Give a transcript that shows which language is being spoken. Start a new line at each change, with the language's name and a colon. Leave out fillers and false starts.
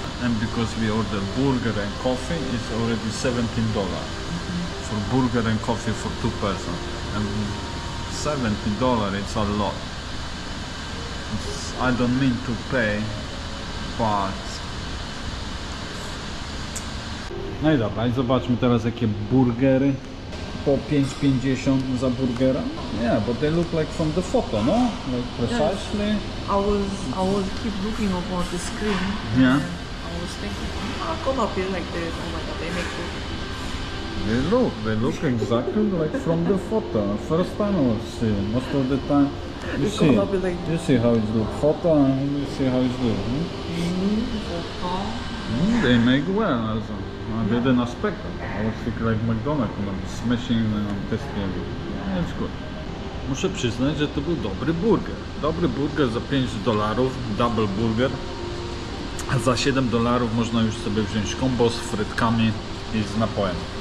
English: And because we order burger and coffee, it's already $17. Mm-hmm. For burger and coffee for two persons. And $70, it's a lot. It's, I don't mean to pay, but...
Polish: No i dobra, zobaczmy teraz jakie burgery. Po 5,50 za burgera?
English: Yeah, but they look like from the photo, no? Like precisely. Yes. I was keep looking upon the screen. Yeah. I was thinking, how come up here like this? Oh my god, they make good. They look exactly like from the photo. First time I was seeing, most of the time. You see how it looks. Photo and you see how it looks. Hmm? Mm-hmm. Mm, they make well also. They didn't expect it. I was thinking like McDonald's, smashing and testing. It's good.
Polish: Muszę przyznać, że to był dobry burger. Dobry burger za $5,
English: double burger.
Polish: A za $7 można już sobie wziąć combo z frytkami i z napojem.